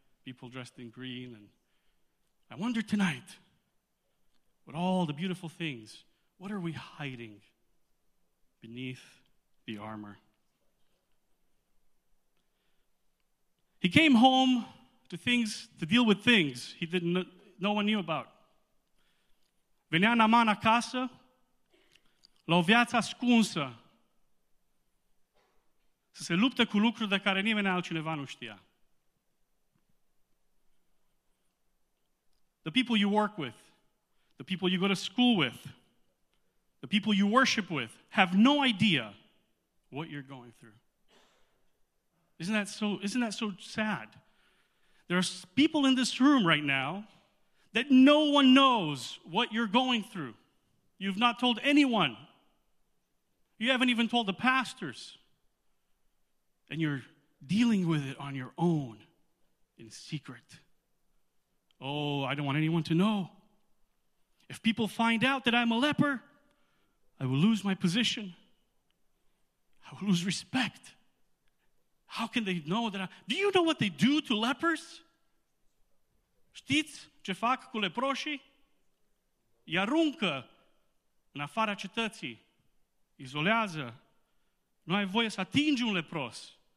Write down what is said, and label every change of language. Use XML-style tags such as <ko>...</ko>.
<en>People dressed in green and I wonder tonight, with all the beautiful things, what are we hiding beneath the armor? He came home to things, to deal with things he didn't, no one knew about.</en> <ro>Venea Naaman acasă, la o viață ascunsă, să se luptă cu lucruri de care nimeni altcineva nu știa.</ro> <en>The people you work with, the people you go to school with, the people you worship with have no idea what you're going through. Isn't that so sad? There are people in this room right now that no one knows what you're going through. You've not told anyone. You haven't even told the pastors. And you're dealing with it on your own in secret. Oh, I don't want anyone to know. If people find out that I'm a leper, I will lose my position. I will lose respect. How can they know that I... Do you know what they do to lepers?</en> <ro>Știți ce fac cu leproșii? Îi aruncă în afara cetății. Izolează. Nu ai voie să atingi un lepros.</ro>